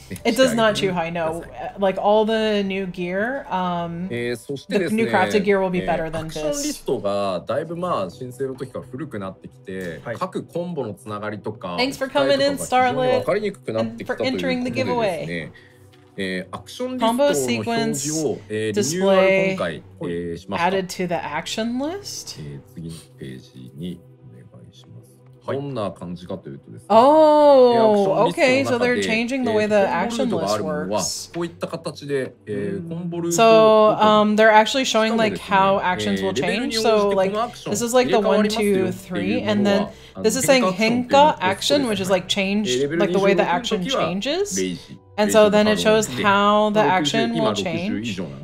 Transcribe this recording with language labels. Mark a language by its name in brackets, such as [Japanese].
[English] it does not too high, no. Like all the new gear, the new crafted gear will be better than this. [Japanese] アクションリストがだいぶまあ申請の時から古くなってきて、各コンボのつながりとか、 [English] Thanks for coming in, Starlet. [Japanese] わかりにくくなってきたということでですね。 [English] Combo sequence display. Combo sequence display. [Japanese] 今回、 [English] added to the action list. [Japanese] 次のページに。どんな感じかというとですね。 [English] Oh, okay. So they're changing the way the action list works. [Japanese] こういった形で、コンボルート。 [English] So, they're actually showing like how actions will change. So, like this is like the 1, 2, 3, and then this is saying 変化 action, which is like change, like the way the action changes. And so then it shows how the action will change.